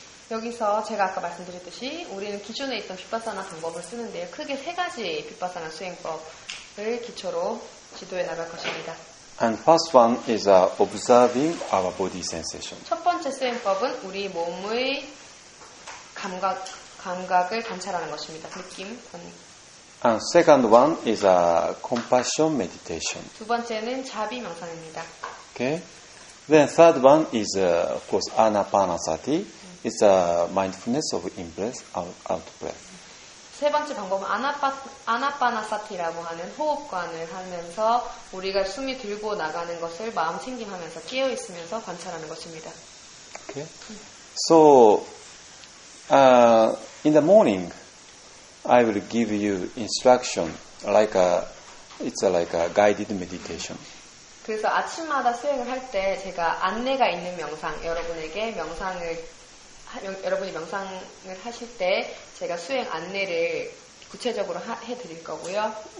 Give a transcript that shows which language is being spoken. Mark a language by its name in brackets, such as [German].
[Korean] 여기서 제가 아까 말씀드렸듯이 우리는 기존에 있던 비파사나 방법을 쓰는데요. 크게 세 가지 비파사나 수행법을 기초로 지도해 나갈 것입니다. [English] And first one is observing our body sensation. [Korean] 첫 번째 수행법은 우리 몸의 감각을 관찰하는 것입니다. 느낌. [English] And second one is compassion meditation. [Korean] 두 번째는 자비 명상입니다. [English] Okay. Then third one is of course anapanasati. It's a mindfulness of in-breath, out-breath. [Korean] 세 번째 방법은 아나파나사티라고 하는 호흡관을 하면서 우리가 숨이 들고 나가는 것을 마음 챙김하면서 깨어 있으면서 관찰하는 것입니다. [English] Okay. So, in the morning, I will give you instruction like a guided meditation. [Korean] 그래서 아침마다 수행을 할 때 제가 안내가 있는 명상, 여러분에게 명상을 여러분이 명상을 하실 때 제가 수행 안내를 구체적으로 해드릴 거고요.